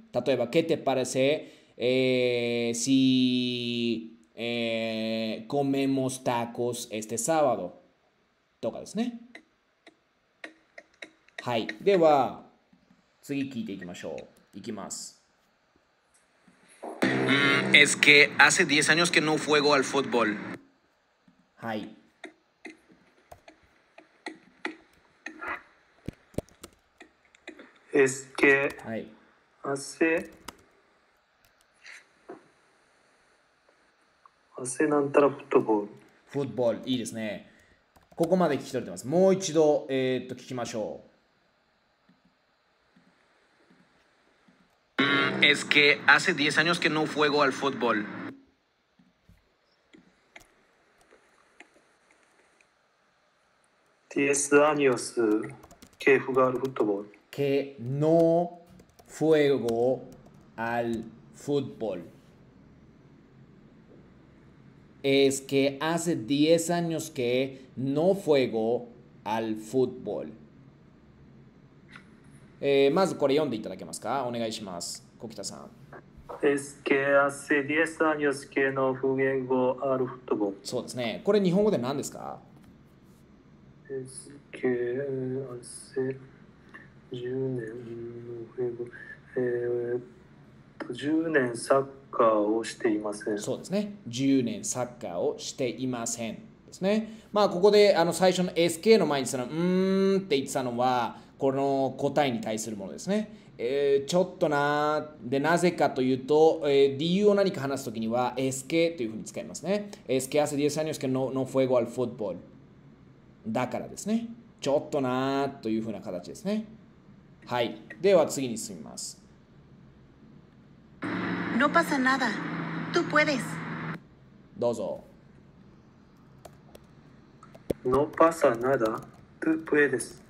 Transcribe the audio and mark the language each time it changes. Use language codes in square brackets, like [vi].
[ja] 例えば [es] ケテパレセ、シー、コメモスタコスエステサバド [ja] とかですね。はい、では次聞いていきましょう。いきます。 [es] Es que hace 10 años que no juego al fútbol. [ja] はい。 [es] Es que [ja] はい。 hace なんたらフットボール。フットボール、いいですね。ここまで聞き取れてます。もう一度、聞きましょう。 [es] Es que hace 10 años que no juego al fútbol. Diez años que jugar al fútbol. Que no juego al fútbol. Es que hace 10 años que no juego al fútbol. [ja] まずこれ読んでいただけますか？お願いします。コキタさん。 [es] Es que hace 10 años que no juego al fútbol. [ja] そうですね。これ日本語で何ですか？ [es] Es que hace [ja] 10年サッカーをしていません。そうですね。 10年サッカーをしていませんですね。ここで最初の SK の前にその、うーんって言ってたのは、この答えに対するものですね。ちょっとな。で、なぜかというと、理由を何か話すときには、SK というふうに使いますね。 [es] SK hace 10 años que no juego al fútbol。 [ja] だからですね。ちょっとなというふうな形ですね。はい。では次に進みます。 [es] No pasa nada. Tú puedes. [ja] どうぞ。 [es] No pasa nada. Tú puedes.